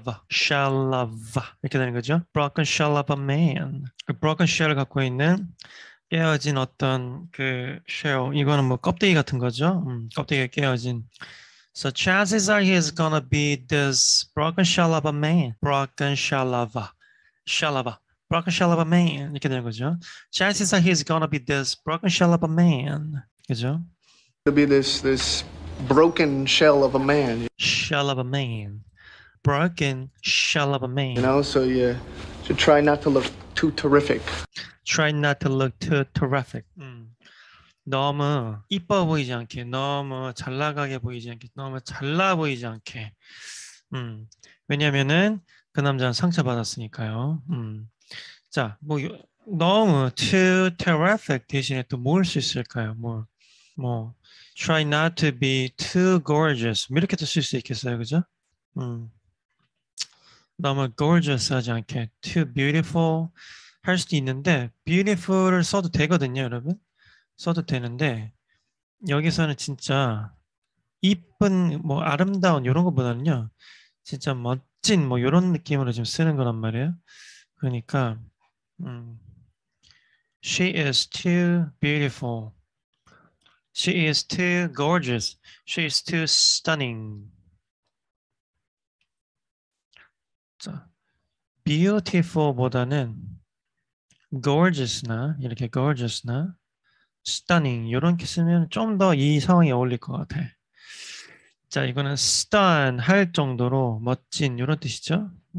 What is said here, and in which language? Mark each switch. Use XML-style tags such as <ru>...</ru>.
<en>Shell of</en> <ko>이렇게 되는 거죠.</ko> <en>Broken shell of a man.</en> <ko>그</ko> <en>broken shell</en> <ko>갖고 있는 깨어진 어떤 그 shell. 이거는 뭐 껍데기 같은 거죠. 껍데기 깨어진.</ko> <en>So chances are he is gonna be this broken shell of a man. Broken shell of a man.</en> <ko>이렇게 되는 거죠.</ko> <en>Chances are he is gonna be this broken shell of a man.</en> <ko>그죠?</ko> <en>To be this broken shell of a man. Shell of a man. Broken shell of a man. You know, so you should try not to look too terrific. Try not to look too terrific.</en> <ko>너무 이뻐 보이지 않게, 너무 잘나가게 보이지 않게, 너무 잘나 보이지 않게. 왜냐면은 그 남자는 상처받았으니까요. 자, 뭐 너무</ko> <en>too terrific</en> <ko>대신에 또 뭘 쓸 수 있을까요? 뭐</ko> <en>try not to be too gorgeous</en> <ko>이렇게도 쓸 수 있겠어요, 그죠? 너무 gorgeous 하지 않게,</ko> <en>too beautiful</en> <ko>할 수도 있는데 beautiful을 써도 되거든요, 여러분. 써도 되는데 여기서는 진짜 이쁜 뭐 아름다운 이런 것보다는요 진짜 멋진 뭐 이런 느낌으로 지금 쓰는 거란 말이에요. 그러니까</ko> <en>she is too beautiful, she is too gorgeous, she is too stunning.</en> <ko>자, beautiful보다는 gorgeous나 이렇게 gorgeous나 stunning 이렇게 쓰면 좀 더 이 상황에 어울릴 것 같아. 자, 이거는 stun 할 정도로 멋진 이런 뜻이죠.</ko>